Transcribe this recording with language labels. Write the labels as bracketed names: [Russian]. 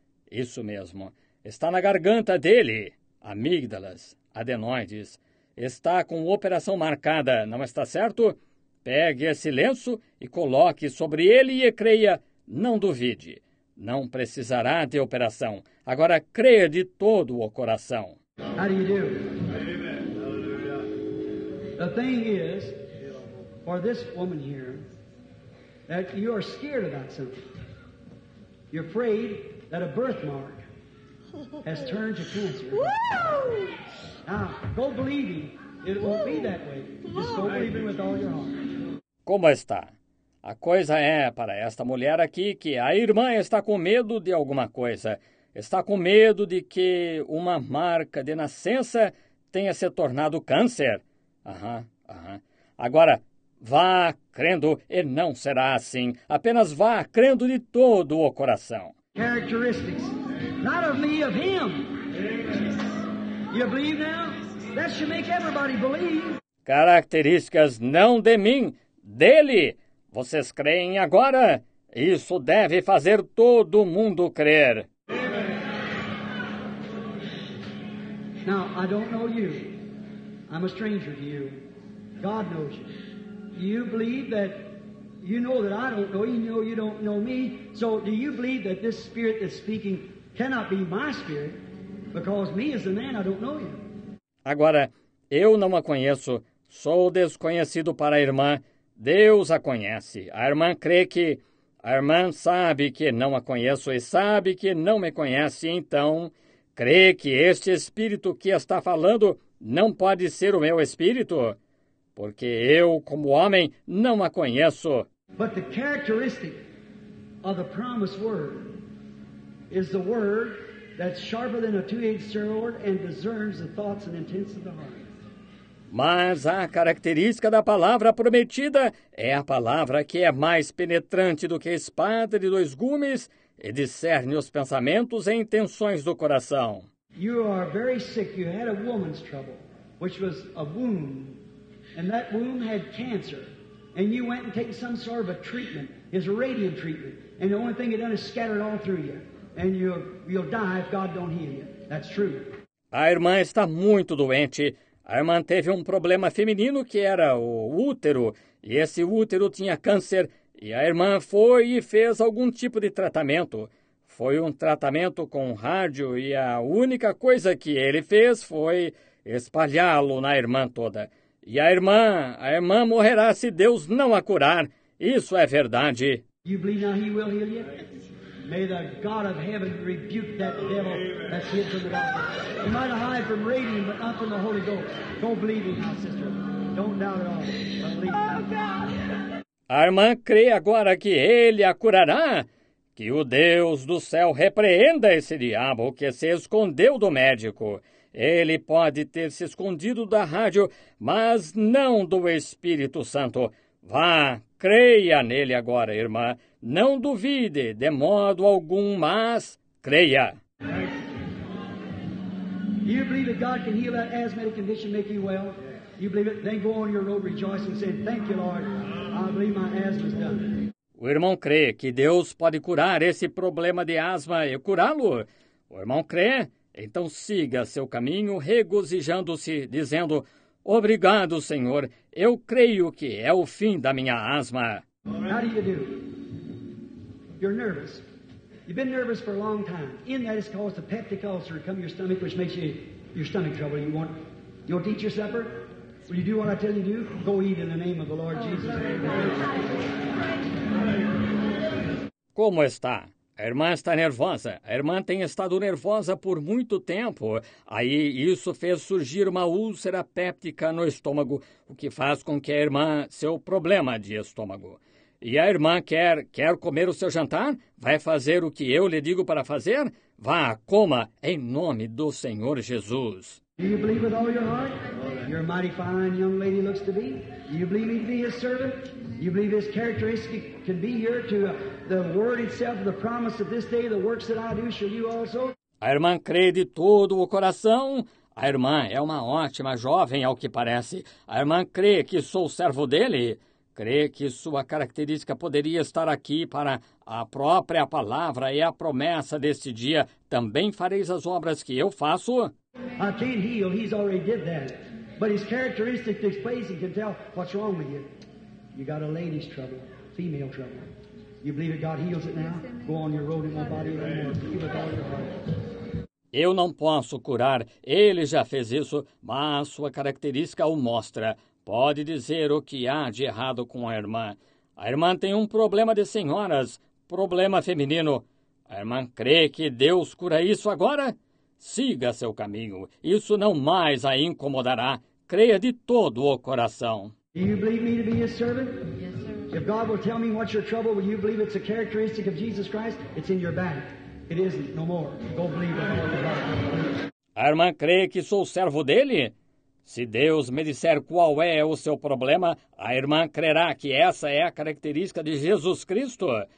[Portuguese] Isso mesmo. Está na garganta dele. Amígdalas. Adenoides. Está com operação marcada, não está certo? Pegue esse lenço e coloque sobre ele e creia, não duvide. Não precisará de operação. Agora creia de todo o coração. [English] How do you do? Amen. The thing is, for this woman here, that you are scared about something. You're afraid that a birthmark has turned to cancer. Woo! Now, go believing. It won't be that way. Just go believing with all your heart. [Portuguese] Como está? A coisa é, para esta mulher aqui, que a irmã está com medo de alguma coisa. Está com medo de que uma marca de nascença tenha se tornado câncer. Aham. Agora, vá crendo e não será assim. Apenas vá crendo de todo o coração. [English] Characteristics. Not of me, of him. You believe now? That should make everybody believe. [Portuguese] Características não de mim. Dele? Vocês creem agora? Isso deve fazer todo mundo crer. [English] Now, I don't know you. I'm a stranger to you. God knows you. You believe that you know that I don't know you. You know you don't know me. So do you believe that this spirit that's speaking cannot be my spirit? Because me as a man, I don't know you. [Portuguese] Agora, eu não a conheço. Sou desconhecido para a irmã. Deus a conhece. A irmã crê que... A irmã sabe que não a conheço e sabe que não me conhece. Então, crê que este espírito que está falando não pode ser o meu espírito? Porque eu, como homem, não a conheço. [English] But the characteristic of the promised word is the word that's sharper than a two-edged sword and discerns the thoughts and intents of the heart. [Portuguese] Mas a característica da palavra prometida é a palavra que é mais penetrante do que a espada de dois gumes e discerne os pensamentos e intenções do coração. [English] You are very sick. You had a woman's trouble, which was a womb, and that womb had cancer. And you went and take some sort of a treatment, it's a radium treatment, and the only thing it done is scatter it all through you. And you'll die if God don't heal you. That's true. [Portuguese] A irmã está muito doente. A irmã teve um problema feminino que era o útero, e esse útero tinha câncer, e a irmã foi e fez algum tipo de tratamento. Foi um tratamento com rádio e a única coisa que ele fez foi espalhá-lo na irmã toda. E a irmã morrerá se Deus não a curar. Isso é verdade. [English] You believe now he will heal you? May the God of heaven rebuke that devil that's hid from the doctor. He might have hide from radium, but not from the Holy Ghost. Don't believe it, sister. Don't doubt it all. But believe it. Oh, God. [Portuguese] A irmã crê agora que ele a curará? Que o Deus do céu repreenda esse diabo que se escondeu do médico. Ele pode ter se escondido da rádio, mas não do Espírito Santo. Vá, creia nele agora, irmã. Não duvide de modo algum, mas creia. [English] You believe that God can heal that asthmatic condition, make you well? You believe it? Then go on your road rejoicing, saying, thank you, Lord. I believe my asthma is done. [Portuguese] O irmão crê que Deus pode curar esse problema de asma e curá-lo? O irmão crê? Então siga seu caminho regozijando-se, dizendo, obrigado, Senhor, eu creio que é o fim da minha asma. [English] How do you do? You're nervous. You've been nervous for a long time. In that it's caused a peptic ulcer come to your stomach, which makes your stomach trouble. You'll eat your supper? Will you do what I tell you to do? Go eat in the name of the Lord Jesus. [Portuguese] Como está? A irmã está nervosa. A irmã tem estado nervosa por muito tempo. Aí isso fez surgir uma úlcera péptica no estômago, o que faz com que a irmã seu problema de estômago. E a irmã quer comer o seu jantar? Vai fazer o que eu lhe digo para fazer? Vá, coma, em nome do Senhor Jesus. [English] Do you believe with all your heart? You're a mighty fine young lady looks to be. Do you believe me to be his servant? You believe his characteristic can be here to the word itself, the promise of this day, the works that I do, shall you also? [Portuguese] A irmã crê de todo o coração. A irmã é uma ótima jovem, ao que parece. A irmã crê que sou servo dele. Crê que sua característica poderia estar aqui para a própria palavra e a promessa deste dia. Também fareis as obras que eu faço? [English] I can't heal. He's already did that. But his characteristic displays and can tell what's wrong with you. You got a lady's trouble, female trouble. You believe that God heals it now? Go on your road in my body anymore. Heal with all your heart. [Portuguese] Eu não posso curar. Ele já fez isso, mas sua característica o mostra. Pode dizer o que há de errado com a irmã. A irmã tem um problema de senhoras, problema feminino. A irmã crê que Deus cura isso agora? Siga seu caminho. Isso não mais a incomodará. Creia de todo o coração. [English] Do you believe me to be his servant? Yes, sir. If God will tell me what's your trouble, will you believe it's a characteristic of Jesus Christ? It's in your back. It isn't, no more. Go believe it. [Portuguese] A irmã crê que sou servo dele? Se Deus me disser qual é o seu problema, a irmã crerá que essa é a característica de Jesus Cristo?